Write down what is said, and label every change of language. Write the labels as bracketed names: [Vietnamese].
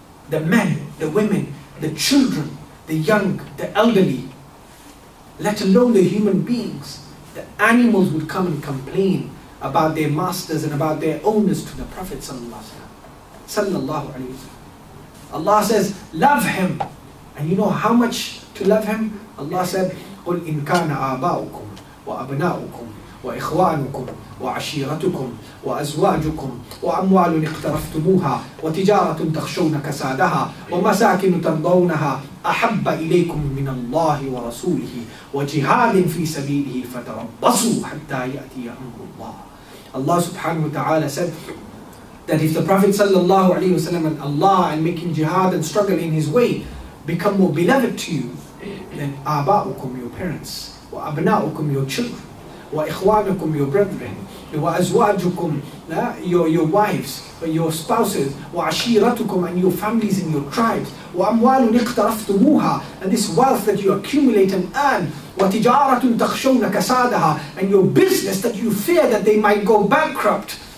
[English] The men, the women, the children, the young, the elderly, let alone the human beings, the animals would come and complain about their masters and about their owners to the Prophet sallallahu alaihi wasallam. Allah says, love him. And you know how much to love him? Allah said, [Arabic] قُلْ إِن كَانَ آبَاؤُكُمْ وَأَبْنَاؤُكُمْ وَإِخْوَانُكُمْ وعشيرتكم وأزواجكم وأموال اقترفتموها وتجارة تخشون كسادها ومساكن ترضونها أحب إليكم من الله ورسوله وجهاد في سبيله فتربصوا حتى يأتي أمر الله. [English] Allah subhanahu wa ta'ala said that if the Prophet sallallahu alayhi wa sallam and Allah and making jihad and struggle in his way become more beloved to you, then [Arabic] آباؤكم [English] your parents [Arabic] وأبناؤكم [English] your children [Arabic] وإخوانكم [English] your brethren [Arabic] وأزواجكم [English] your wives your spouses [Arabic] وعشيرتكم [English] and your families and your tribes [Arabic] وأموال اقترفتموها [English] and this wealth that you accumulate and earn [Arabic] وتجارة تخشون كسادها [English] and your business that you fear that they might go bankrupt